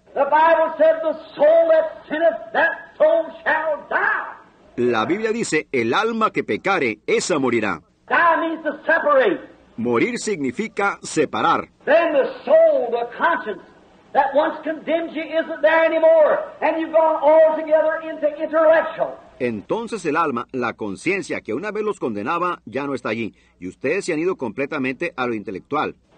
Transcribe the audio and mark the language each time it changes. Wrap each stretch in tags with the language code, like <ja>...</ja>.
<en>The Bible says the soul that sinneth, that soul shall die.</en> <es>La Biblia dice, el alma que pecare, esa morirá.</es> <en>Die means to separate.</en> <es>Morir significa separar.</es> <en>Then the soul, the conscience, that once condemned you isn't there anymore, and you've gone altogether into intellectual.</en> <es>Entonces el alma, la conciencia que una vez los condenaba, ya no está allí, y ustedes se han ido completamente a lo intelectual.</es>